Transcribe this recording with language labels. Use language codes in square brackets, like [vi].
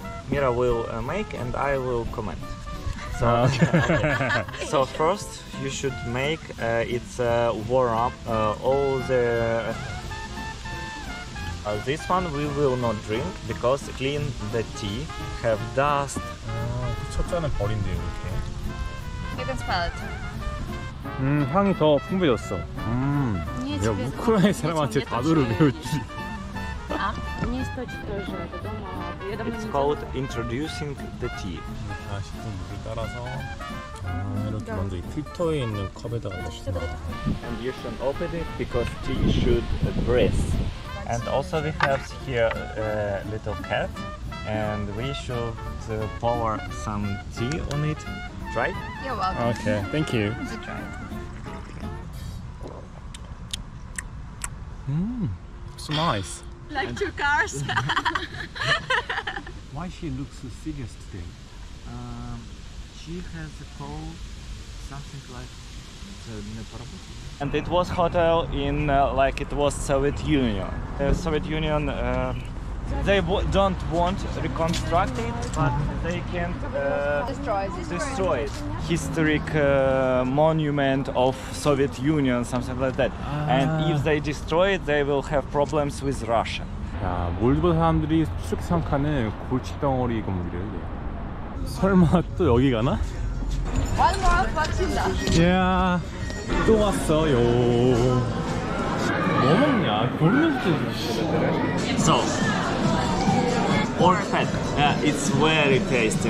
[en] Mira will make and I will comment. So, okay. Okay. So first you should make it's warm up all the This one we will not drink because clean the tea have dust. [ko] 첫 잔은 버린대요, 이렇게. [en] You can smell it. [ko] 향이 더 풍부해졌어. 야, 우크라이나 사람한테 단어를 배웠지. [en] It's called introducing the tea. [ko] 마시는 물을 따라서 이렇게 먼저 이 필터에 있는 컵에다가 넣습니다. [en] And you should open it because tea should breathe. And also we have here a little cap, and we should pour some tea on it. Try? You're welcome. Okay, thank you. So nice. Like two cars. Why she looks so serious today? She has a cold, something like the problem. And it was hotel in like it was Soviet Union. Soviet Union, they don't want reconstruct it, but they can destroy it. Historic monument of Soviet Union, something like that. And if they destroy it, they will have problems with Russia. [ko] 야, 몰드바 사람들이 추측 생각하는 골칫덩어리 건물이래. 이게. 설마 또 여기 가나? 완벽합니다. 이야. 또 왔어요. 뭐 먹냐? 골면지. [en] So, pork fat. It's very tasty.